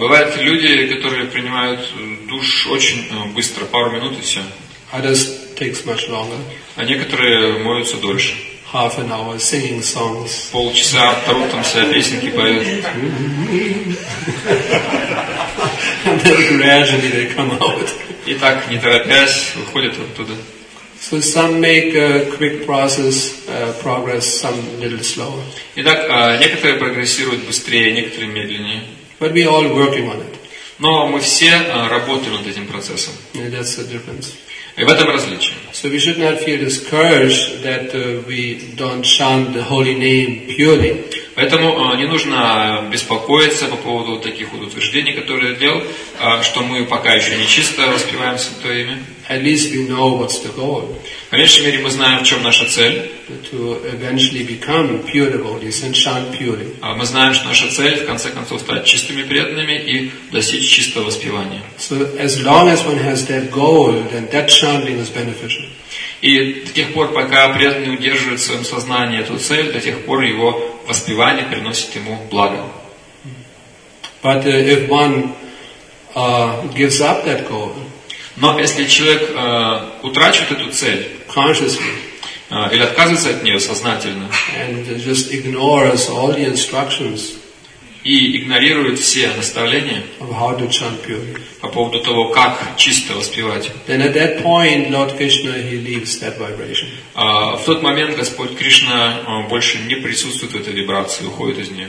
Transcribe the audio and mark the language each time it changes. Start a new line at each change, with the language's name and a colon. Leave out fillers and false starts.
Russian: Бывают люди, которые принимают душ очень быстро, пару минут и все.
English: Others takes much longer.
Russian: А некоторые моются дольше.
English: Half an hour singing songs.
Russian: Полчаса труд там себя песенки поют.
English: And then gradually they come out.
Russian: И так, не торопясь, выходят оттуда.
English: So some make a quick process, progress, some little slower.
Russian: Итак, некоторые прогрессируют быстрее, некоторые медленнее.
English: But we all working on it.
Russian: Но мы все работаем над этим процессом.
English: And that's the difference.
Russian: И в этом различие.
English: So So we should not feel discouraged that we don't chant the holy name purely.
Russian: Поэтому не нужно беспокоиться по поводу таких вот утверждений, которые делал, что мы пока еще не чисто воспеваем Святое Имя.
English: At least we know what's the goal.
Russian: По меньшей мере, мы знаем, в чем наша цель.
English: To eventually become pure devotees and chant purely.
Russian: Мы знаем, что наша цель, в конце концов, стать чистыми преданными и достичь чистого воспевания.
English: So as long as one has that goal, then that chanting is beneficial.
Russian: И до тех пор, пока преданный удерживает в своем сознании эту цель, до тех пор его воспевание приносит ему благо.
English: But if one gives up that goal,
Russian: но если человек утрачивает эту цель
English: consciously,
Russian: или отказывается от нее сознательно
English: and just ignores all the instructions
Russian: и игнорирует все наставления
English: of how to chant purely,
Russian: по поводу того, как чисто воспевать,
English: then at that point, Lord Krishna, he leaves that vibration.
Russian: В тот момент Господь Кришна больше не присутствует в этой вибрации, уходит из нее.